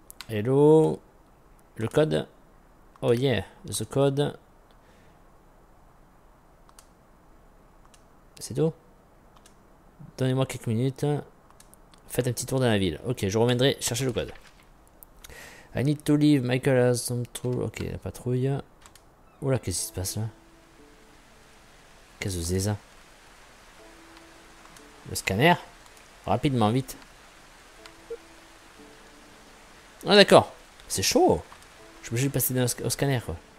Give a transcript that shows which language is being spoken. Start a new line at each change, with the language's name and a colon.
English: Hello.
French: Le code?
English: Oh yeah, the code.
French: C'est tout? Donnez-moi quelques minutes. Faites un petit tour dans la ville. Ok, je reviendrai chercher le code.
English: I need to leave, Michael has some trouble.
French: Ok, la patrouille. Oula, qu'est-ce qui se passe là? Qu'est-ce que c'est ça? Le scanner? Rapidement, vite. Ah d'accord, c'est chaud. Je peux juste passer dans au scanner quoi.